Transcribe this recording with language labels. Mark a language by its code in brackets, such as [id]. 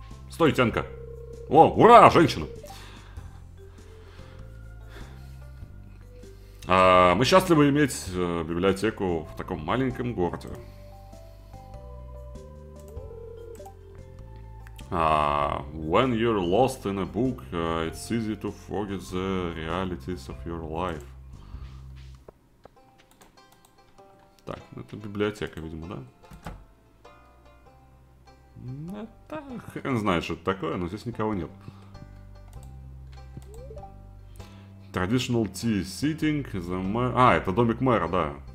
[ru] Стой, тянка. О, ура, женщина. Мы счастливы иметь библиотеку в таком маленьком городе. [en] When you're lost in a book, it's easy to forget the realities of your life. [ru] Так, ну это библиотека, видимо, да? Ну, это, хрен знает, что это такое, но здесь никого нет. [en] Traditional tea sitting, the mayor... [ru] А, это домик мэра, да.